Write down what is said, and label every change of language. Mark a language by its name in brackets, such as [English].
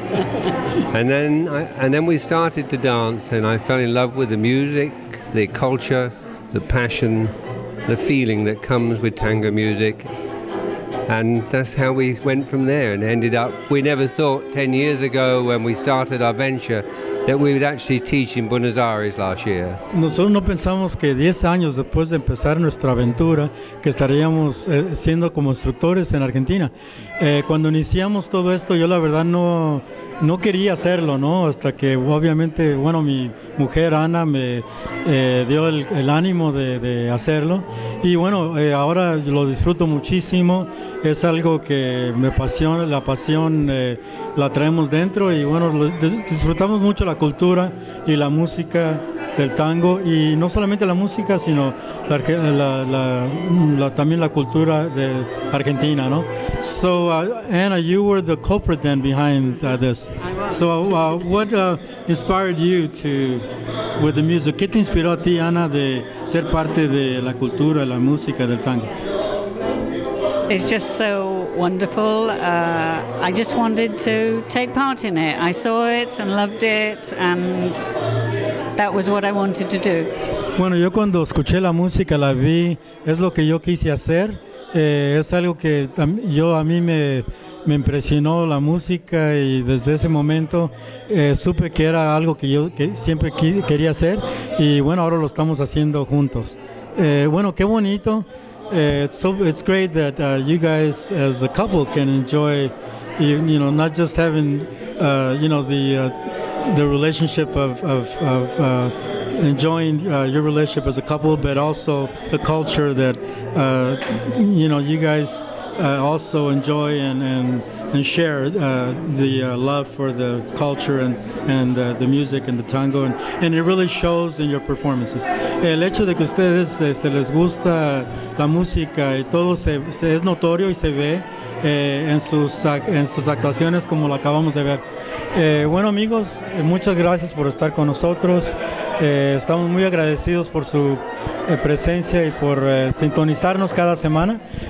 [English] and then we started to dance, and I fell in love with the music, the culture, the passion, the feeling that comes with tango music. And that's how we went from there and ended up. We never thought 10 years ago when we started our venture that we would actually teach in Buenos Aires last year. [Spanish] Nosotros no pensamos que 10 años después de empezar nuestra aventura que estaríamos siendo como instructores en Argentina. Cuando iniciamos todo esto, yo la verdad no quería hacerlo, ¿no? Hasta que obviamente, bueno, mi mujer Ana me dio el ánimo de hacerlo. Y bueno, ahora lo disfruto muchísimo. Es algo que me apasiona, la pasión la traemos dentro y bueno, disfrutamos mucho la cultura y la música del tango, y no solamente la música, sino también la cultura de Argentina, ¿no? [English] So, Anna, you were the culprit then behind this. So, what inspired you with the music? [Spanish] ¿Qué te inspiró a ti, Anna, de ser parte de la cultura, la música del tango? [English] It's just so wonderful. I just wanted to take part in it. I saw it and loved it, and that was what I wanted to do. [Spanish] Bueno, yo cuando escuché la música, la vi, es lo que yo quise hacer. Es algo que a mí me impresionó la música, y desde ese momento supe que era algo que yo siempre quería hacer, y bueno, ahora lo estamos haciendo juntos. Bueno, qué bonito. [English] It's great that you guys as a couple can enjoy, you know, not just having the relationship of enjoying your relationship as a couple, but also the culture that you guys also enjoy and share the love for the culture and the music and the tango, and it really shows in your performances. [Spanish] El hecho de que ustedes les gusta la música y todo se es notorio y se ve en sus actuaciones, como lo acabamos de ver. Bueno, amigos, muchas gracias por estar con nosotros. Estamos muy agradecidos por su presencia y por sintonizarnos cada semana.